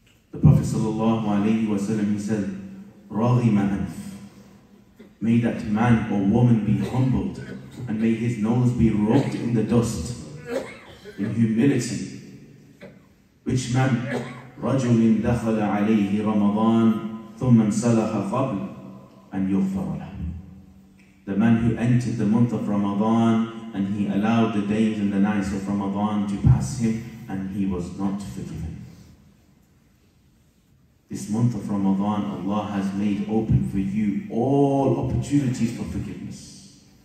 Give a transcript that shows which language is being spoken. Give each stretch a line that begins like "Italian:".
English: The Prophet sallallahu alayhi wa sallam, he said,
Arabic: Raghima anf.
English: May that man or woman be humbled, and may his nose be rubbed in the dust in humility. Which man?
Arabic: رجل دخل عليه رمضان ثم انسلخ قبل أن يغفر له.
English: The man who entered the month of Ramadan and he allowed the days and the nights of Ramadan to pass him and he was not forgiven. This month of Ramadan, Allah has made open for you all opportunities for forgiveness.